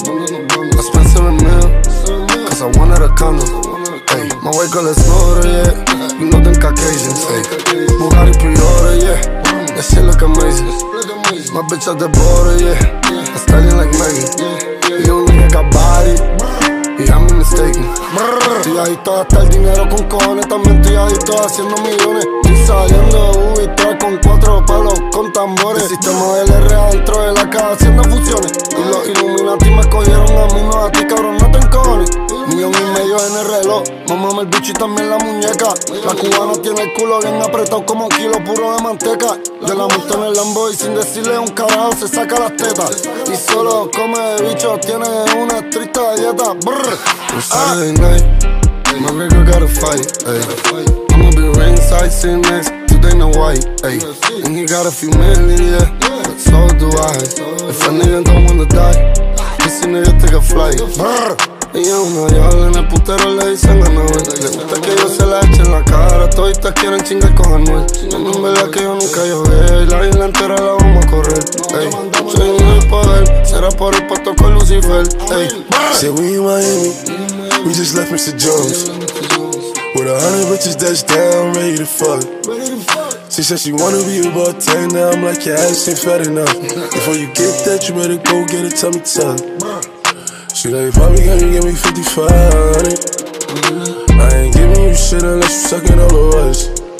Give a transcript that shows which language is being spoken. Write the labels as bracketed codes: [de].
[en] I spent 7 mil, cause I wanted a condo. Ay, my white girl is older, yeah. You know them Caucasians, ay. Bugatti pre-order, yeah. That shit look amazing. My bitch at the border, yeah. I'm styling like Megan. You don't think I got body? Yeah, I'm mistaken. [es] Estoy adicto a gastar dinero con cojones. También estoy adicto a haciendo millones. Y saliendo de Ubi 3 con 4 palos con tambores. El sistema del R adentro de la casa haciendo fusiones. Y los Illuminati me cogieron a mí, no a ti, cabrón, no te encojones. Millón y medio en el reloj. Mámame el bicho y también la muñeca. La cubana tiene el culo bien apretado como un kilo puro de manteca. Yo la monto en el Lambo y sin decirle un carajo se saca las tetas. y solo come bicho, tiene una estricta dieta. Brr. [en] On Saturday night, my nigga got a fight, ayy. I'ma be ringside sitting next to Dana White, ayy. And he got a few million, yeah, but so do I. If a nigga don't wanna die, this nigga take a flight. Brr. [es] Y a una diabla en el putero le dicen a Noel. Le gusta que yo se la eche en la cara. Toditas quieren chingar con Anuel. En verdad que yo nunca llové. La isla entera la vamos a correr. Ey, soy un poder. Será por el pato con Lucifer. Ey, [en] say we in Miami. We just left Mr. Jones. With 100 bitches that's down, ready to fuck. She said she wanna be a bartender. I'm like, your ass ain't fat enough. Before you get that, you better go get a tummy tuck. She like, probably can you give me 55, honey? I ain't giving you shit unless you suckin' all of us.